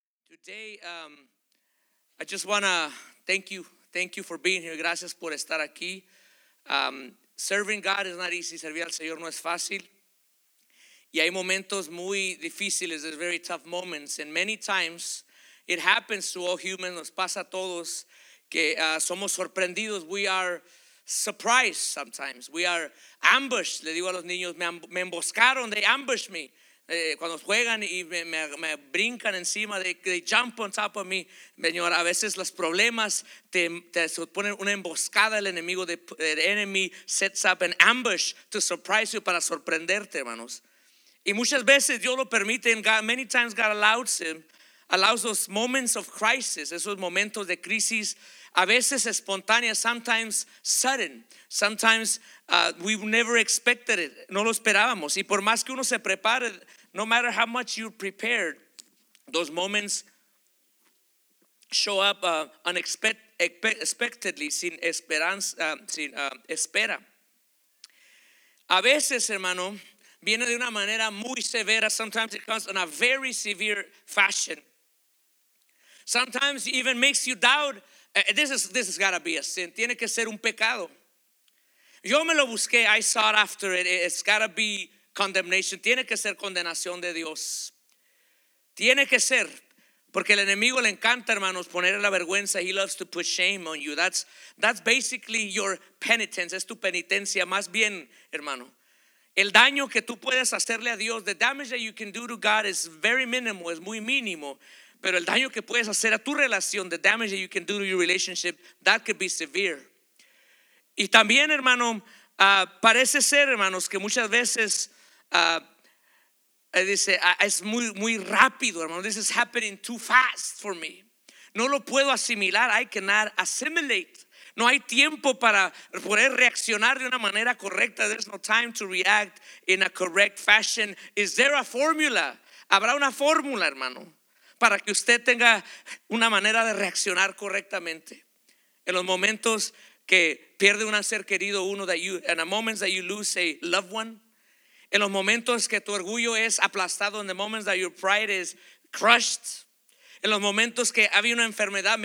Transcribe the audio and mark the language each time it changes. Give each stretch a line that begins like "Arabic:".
English: Today, I just want to thank you for being here.
Spanish: Gracias por estar aquí.
English: Serving God is not easy.
Spanish: Servir al Señor no es fácil. Y hay momentos muy difíciles.
English: There's very tough moments. And many times, it happens to all humans.
Spanish: Nos pasa a todos que somos sorprendidos.
English: We are surprised sometimes. We are ambushed.
Spanish: Le digo a los niños, me emboscaron.
English: They ambush me.
Spanish: Cuando juegan y me brincan encima,
English: they jump on top of me.
Spanish: Señor, a veces los problemas te suponen una emboscada. El enemigo, el
English: enemy sets up an ambush to surprise you,
Spanish: para sorprenderte, hermanos. Y muchas veces Dios lo permite.
English: Many times God allows those moments of crisis,
Spanish: esos momentos de crisis, a veces espontáneas,
English: sometimes sudden, sometimes we never expected it,
Spanish: no lo esperábamos. Y por más que uno se prepare,
English: no matter how much you prepared, those moments show up unexpectedly,
Spanish: sin esperanza, sin espera. A veces, hermano, viene de una manera muy severa.
English: Sometimes it comes in a very severe fashion. Sometimes it even makes you doubt. This has got to be a sin.
Spanish: Tiene que ser un pecado. Yo me lo busqué.
English: I sought after it. It's got to be condemnation.
Spanish: Tiene que ser condenación de Dios. Tiene que ser. Porque el enemigo le encanta, hermanos, poner la vergüenza.
English: He loves to put shame on you. That's basically your penitence.
Spanish: Es tu penitencia. Más bien, hermano, el daño que tú puedes hacerle a Dios,
English: the damage that you can do to God is very minimal.
Spanish: Es muy mínimo. Pero el daño que puedes hacer a tu relación,
English: the damage that you can do to your relationship, that could be severe.
Spanish: Y también, hermano, parece ser, hermanos, que muchas veces, dice, es muy, muy rápido, hermano.
English: This is happening too fast for me.
Spanish: No lo puedo asimilar.
English: I cannot assimilate.
Spanish: No hay tiempo para poder reaccionar de una manera correcta.
English: There's no time to react in a correct fashion. Is there a formula?
Spanish: ¿Habrá una fórmula, hermano, para que usted tenga una manera de reaccionar correctamente en los momentos que pierde un ser querido, uno, en
English: the moments that you lose a loved one,
Spanish: en los momentos que tu orgullo es aplastado, en
English: the moments that your pride is crushed,
Spanish: en los momentos que había una enfermedad?